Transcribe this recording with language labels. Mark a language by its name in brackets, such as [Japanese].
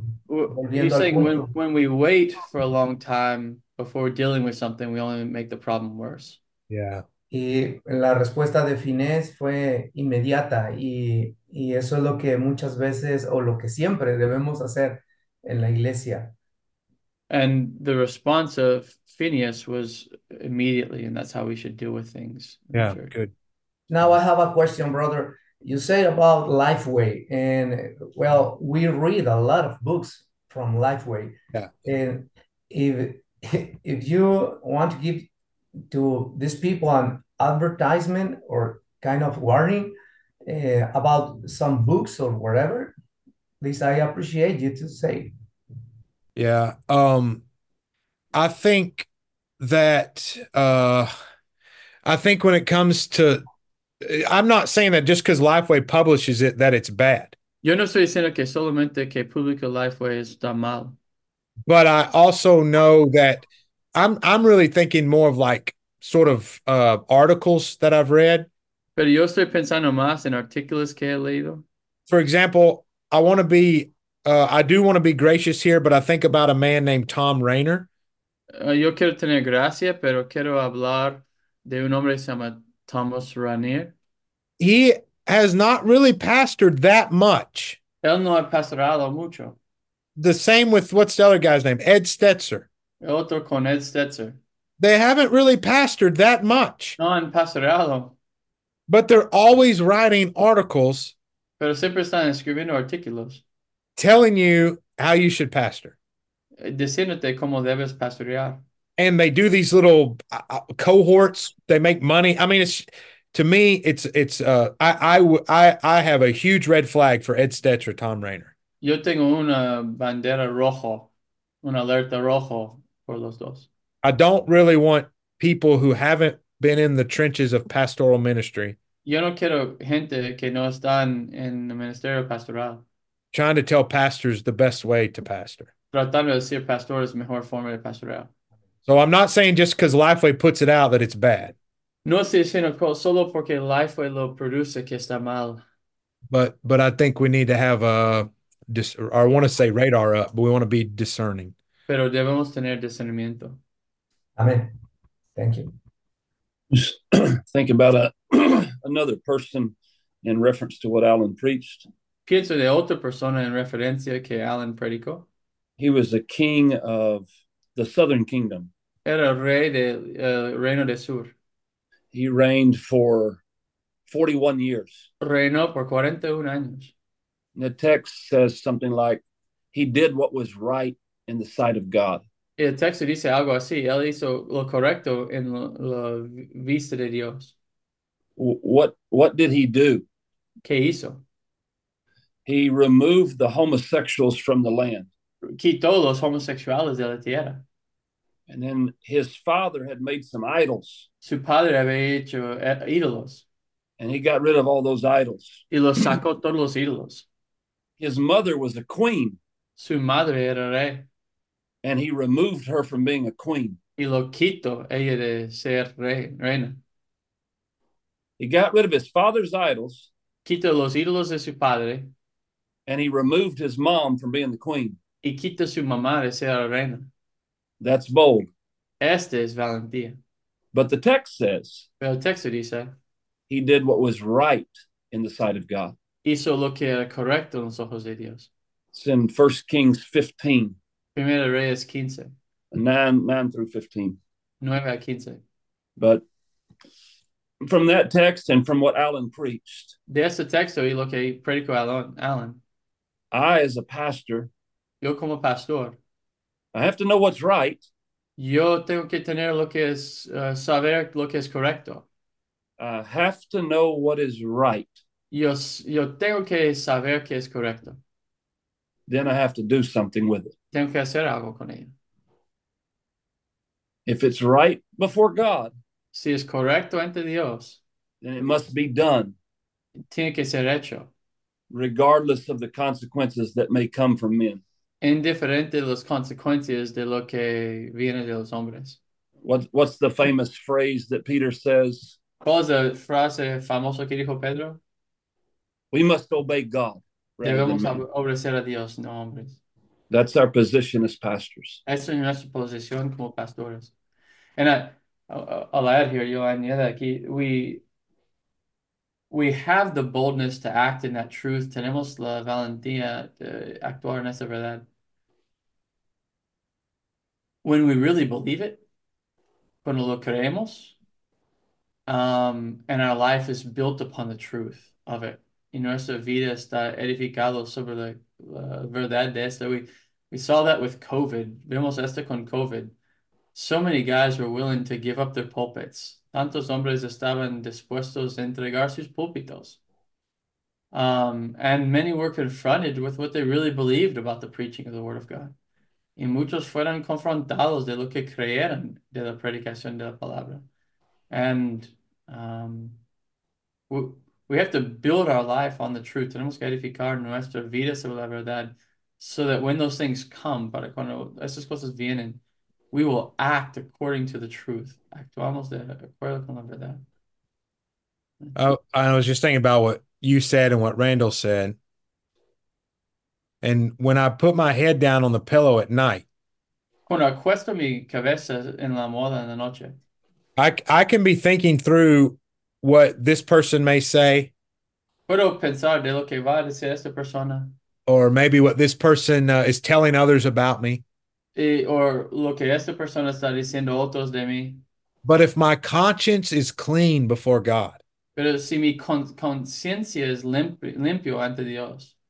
[Spanish] volviendo al punto, [English] when we wait for a long time before dealing with something, we only make the problem worse. Yeah. [Spanish] Y la respuesta de Finés fue inmediata y eso es lo que muchas veces o lo que siempre debemos hacer en la iglesia. [English] And the response of Phineas was immediately, and that's how we should deal with things. Yeah, good. Now I have a question, brother. You say about Lifeway, and well, we read a lot of books from Lifeway. Yeah. And if you want to give to these people an advertisement or kind of warning about some books or whatever, please, I appreciate you to say. Yeah. I think that I think when it comes to, I'm not saying that just because Lifeway publishes it that it's bad. [Spanish] Yo no estoy diciendo que solamente que publica Lifeway está mal. [English] But I also know that I'm really thinking more of like sort of articles that I've read. [Spanish] Pero yo estoy pensando más en artículos que he leído. [English] For example, I want to be I do want to be gracious here, but I think about a man named Tom Rainer. [Spanish] Yo quiero tener gracia, pero quiero hablar de un hombre que se llama Thomas Rainer. [English] He has not really pastored that much. [Spanish] Él no ha pastorado mucho. [English] The same with, what's the other guy's name? Ed Stetzer. [Spanish] El otro con Ed Stetzer. [English] They haven't really pastored that much. [Spanish] No han pastorado. [English] But they're always writing articles. [Spanish] Pero siempre están escribiendo artículos. [English] Telling you how you should pastor. [Spanish] Diciéndote cómo debes pastorear. [English] And they do these little cohorts. They make money. I mean, I have a huge red flag for Ed Stetzer, Tom Rainer. [Spanish] Yo tengo una bandera rojo, una alerta rojo por los dos. [English] I don't really want people who haven't been in the trenches of pastoral ministry. [Spanish] Yo no quiero gente que no están en el ministerio pastoral. [English] Trying to tell pastors the best way to pastor. [Spanish] Tratando de decir pastores mejor forma de pastorear. [English] So I'm not saying just because Lifeway puts it out that it's bad. [Spanish] No estoy diciendo solo porque Lifeway lo produce que está mal. [English] But I think we need to have a, or I want to say radar up, but we want to be discerning. [Spanish] Pero debemos tener discernimiento. [English] Amen. Thank you. Think about another person in reference to what Alan preached. [Spanish] Pienso de otra persona en referencia que Alan predicó. [English] He was a king of the southern kingdom. [Spanish] Era rey del reino del sur. [English] He reigned for 41 years. [Spanish] Reinó por 41 años. [English] And the text says something like, he did what was right in the sight of God. [Spanish] El texto dice algo así. Él hizo lo correcto en la vista de Dios. [English] What did he do? [Spanish] ¿Qué hizo? [English] He removed the homosexuals from the land. [Spanish] Quitó los homosexuales de la tierra. [English] And then his father had made some idols. [Spanish] Su padre había hecho ídolos. [English] And he got rid of all those idols. [Spanish] Y los sacó todos los ídolos. [English] His mother was a queen. [Spanish] Su madre era rey. [English] And he removed her from being a queen. [Spanish] Y lo quitó ella de ser rey, reina. [English] He got rid of his father's idols. [Spanish] Quitó los ídolos de su padre. [English] And he removed his mom from being the queen. [Spanish] Y quitó su mamá de ser la reina. [English] That's bold. [Spanish] Este es valentía. [English] But the text says. [Spanish] Pero el texto dice. [English] He did what was right in the sight of God. [Spanish] Hizo lo que era correcto en los ojos de Dios. [English] It's in 1 Kings 15. [Spanish] Primera Reyes 15. [English] 9 through 15. [Spanish] 9 a 15. [English] But from that text and from what Alan preached. [Spanish] De ese texto y lo que predicó Alan. [English] I, as a pastor. [Spanish] Yo como pastor. [English] I have to know what's right. [Spanish] Yo tengo que tener lo que es saber lo que es correcto. [English] I have to know what is right. [Spanish] Yo tengo que saber qué es correcto. [English] Then I have to do something with it. [Spanish] Tengo que hacer algo con ello. [English] If it's right before God, [Spanish] si es correcto ante Dios, [English] then it must be done. [Spanish] Tiene que ser hecho. [English] Regardless of the consequences that may come from men. [Spanish] Indiferente de las consecuencias de lo que viene de los hombres. [English] What's the famous phrase that Peter says? [Spanish] ¿Cuál es la frase famosa que dijo Pedro? [English] We must obey God. [Spanish] Debemos obedecer a Dios, no hombres. [English] That's our position as pastors. [Spanish] Esa es nuestra posición como pastores. [English] And I'll add here, [Spanish] yo añado aquí, [English] we have the boldness to act in that truth. [Spanish] Tenemos la valentía de actuar en esa verdad. [English] When we really believe it, [Spanish] cuando lo creemos, [English] and our life is built upon the truth of it. [Spanish] y nuestra vida está edificado sobre la verdad de esto. [English] We saw that with COVID. [Spanish] Vemos esto con COVID. [English] So many guys were willing to give up their pulpits. [Spanish] Tantos hombres estaban dispuestos a entregar sus púlpitos. [English] And many were confronted with what they really believed about the preaching of the Word of God. [Spanish] Y muchos fueron confrontados de lo que creyeron de la predicación de la palabra. [English] And we have to build our life on the truth. [Spanish] Tenemos que edificar nuestra vida sobre la verdad [English] so that when those things come, [Spanish] para cuando esas cosas vienen, [English] we will act according to the truth. [Spanish] Actuamos de acuerdo con la verdad. [English] I was just thinking about what you said and what Randall said. And when I put my head down on the pillow at night, [Spanish] cuando acuesto mi cabeza en la almohada en la noche, [English] I can be thinking through what this person may say. [Spanish] Puedo pensar de lo que va a decir esta persona. [English] Or maybe what this person is telling others about me. [Spanish] Or lo que esta persona está diciendo otros de mí. [English] But if my conscience is clean before God, [Spanish] pero si mi conciencia es limpio ante Dios,